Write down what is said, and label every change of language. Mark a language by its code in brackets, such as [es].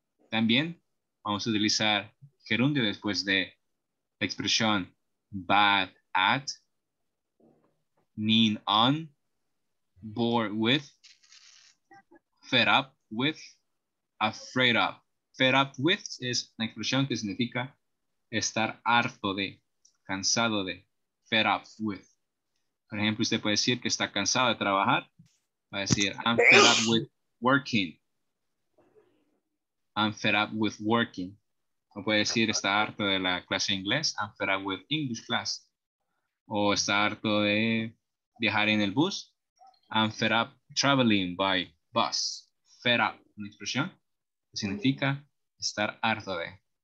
[es] También vamos a utilizar gerundio después de la expresión [en] bad at, mean on, bored with, fed up with, afraid of. [es] Fed up with es una expresión que significa estar harto de, cansado de, fed up with. Por ejemplo, usted puede decir que está cansado de trabajar. Va a decir, [en] I'm fed up with working. I'm fed up with working. [es] O puede decir, está harto de la clase de inglés. [en] I'm fed up with English class. [es] O está harto de viajar en el bus. [en] I'm fed up traveling by bus. [es] Fed up, una expresión que significa estar harto de.